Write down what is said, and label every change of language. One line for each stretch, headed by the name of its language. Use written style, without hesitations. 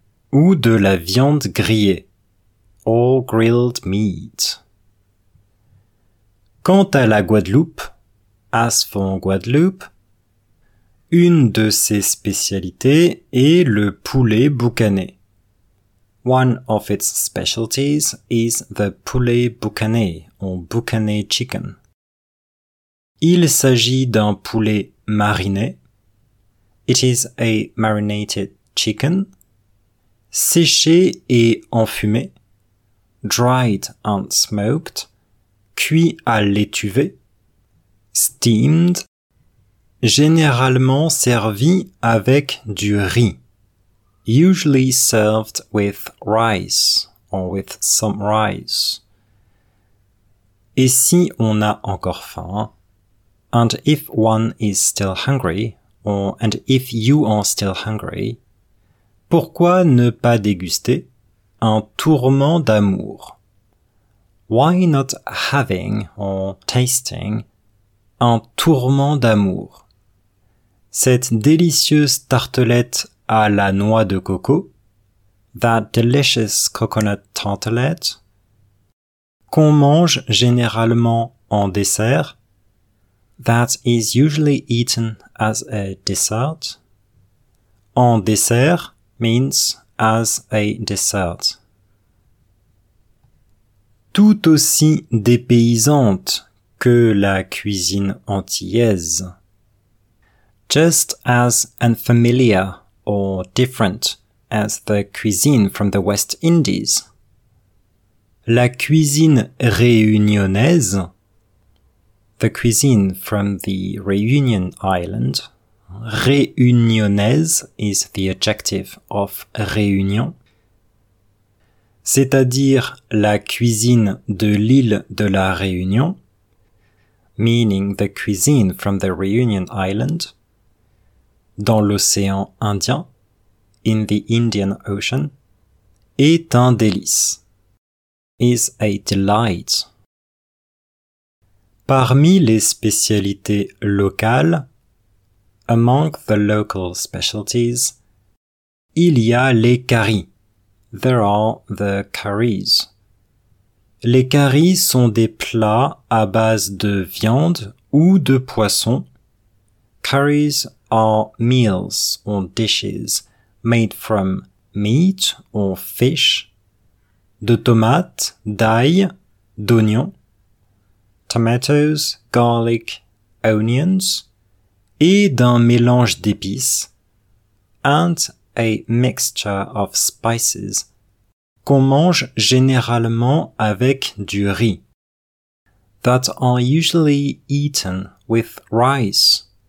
French: Ou de la viande grillée,
English: or grilled meat.
French: Quant à la Guadeloupe,
English: as for Guadeloupe,
French: une de ses spécialités est le poulet boucané.
English: One of its specialties is the poulet boucané, or boucané chicken.
French: Il s'agit d'un poulet mariné.
English: It is a marinated chicken.
French: Séché et enfumé.
English: Dried and smoked.
French: Cuit à l'étuvée.
English: Steamed.
French: Généralement servi avec du riz.
English: Usually served with rice or with some rice.
French: Et si on a encore faim?
English: And if one is still hungry, or and if you are still hungry,
French: pourquoi ne pas déguster un tourment d'amour?
English: Why not having or tasting un tourment d'amour?
French: Cette délicieuse tartelette à la noix de coco,
English: that delicious coconut tartlette,
French: qu'on mange généralement en dessert,
English: that is usually eaten as a dessert.
French: En dessert
English: means as a dessert.
French: Tout aussi dépaysante que la cuisine antillaise.
English: Just as unfamiliar or different as the cuisine from the West Indies.
French: La cuisine réunionnaise.
English: The cuisine from the Réunion Island. Réunionnaise is the adjective of Réunion.
French: C'est-à-dire la cuisine de l'île de la Réunion.
English: Meaning the cuisine from the Réunion Island.
French: Dans l'océan Indien.
English: In the Indian Ocean.
French: Est un délice.
English: Is a delight.
French: Parmi les spécialités locales,
English: among the local specialties,
French: il y a les caries.
English: There are the caries.
French: Les caries sont des plats à base de viande ou de poisson.
English: Caries are meals or dishes made from meat or fish,
French: de tomates, d'ail, d'oignons.
English: Tomatoes, garlic, onions,
French: et d'un mélange d'épices,
English: and a mixture of spices,
French: qu'on mange généralement avec du riz,
English: that are usually eaten with rice.